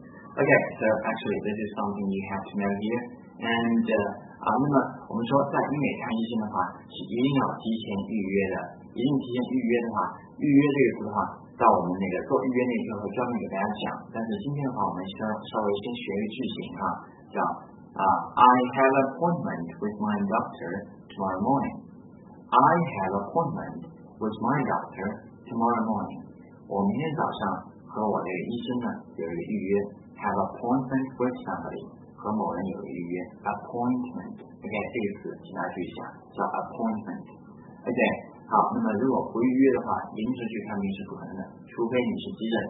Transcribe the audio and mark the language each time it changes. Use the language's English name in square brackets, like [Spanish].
[English] Okay, so actually this is something you have to know here. [Chinese] And, 啊，那么我们说在医美看医生的话是一定要提前预约的。一定提前预约的话，预约这个词的话到我们那个做预约那一课会专门给大家讲。但是今天的话我们稍微先学一个句型啊，叫啊 , [English] I have an appointment with my doctor tomorrow morning. I have an appointment with my doctor tomorrow morning. [Chinese] 我明天早上和我的医生呢有一个预约。 [English] Have appointment with somebody， [Chinese] 和某人有预约。Appointment， OK， 这个词请大家注意一下，叫 appointment。 OK， 好，那么如果不预约的话，临时去看病是不可能的，除非你是急诊。